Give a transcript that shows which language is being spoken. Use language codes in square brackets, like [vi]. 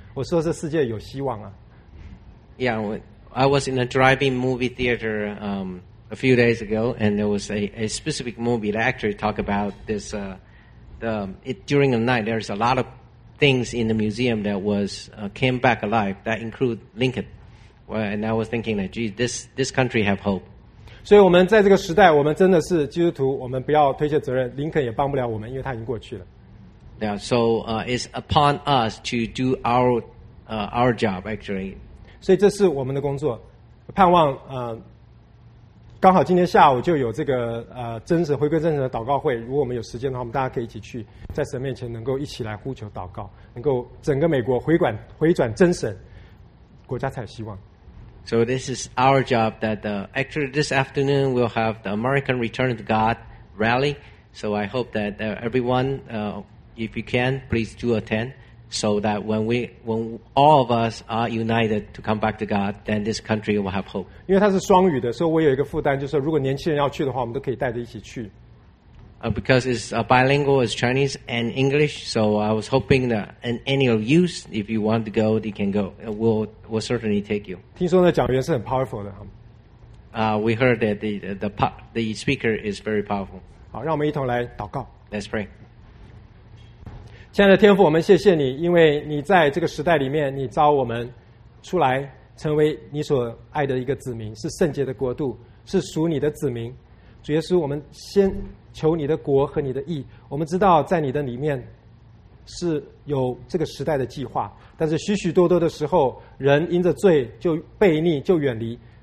[zh] 我说这世界有希望啊。 [en] Yeah, I was in a driving movie theater a few days ago, and there was a specific movie that actually talked about this. During the night, there's a lot of things in the museum that came back alive, that include Lincoln. Well, and I was thinking that, gee, this country have hope. [zh] 所以我们在这个时代，我们真的是基督徒，我们不要推卸责任。林肯也帮不了我们，因为他已经过去了。 [en] Yeah, so it's upon us to do our job, actually. [zh] 所以这是我们的工作，盼望刚好今天下午就有这个真神回归真神的祷告会。如果我们有时间的话，我们大家可以一起去，在神面前能够一起来呼求祷告，能够整个美国回转真神，国家才有希望。 [en] So this is our job. Actually this afternoon we'll have the American Return to God rally. So I hope that everyone, if you can, please do attend. So that when all of us are united to come back to God, then this country will have hope. [zh] 因为它是双语的，所以我有一个负担，就是如果年轻人要去的话，我们都可以带着一起去。 [en] Because it's bilingual, it's Chinese and English. So I was hoping that any of you, if you want to go, you can go. We'll certainly take you. [zh] 听说呢，讲员是很 powerful 的。 [en] We heard that the speaker is very powerful. [zh] 好，让我们一同来祷告。 [en] Let's pray. [zh] 亲爱的天父，我们谢谢你，因为你在这个时代里面，你召我们出来成为你所爱的一个子民，是圣洁的国度，是属你的子民。主耶稣，我们先求你的国和你的义。我们知道在你的里面是有这个时代的计划，但是许许多多的时候，人因着罪就悖逆，就远离。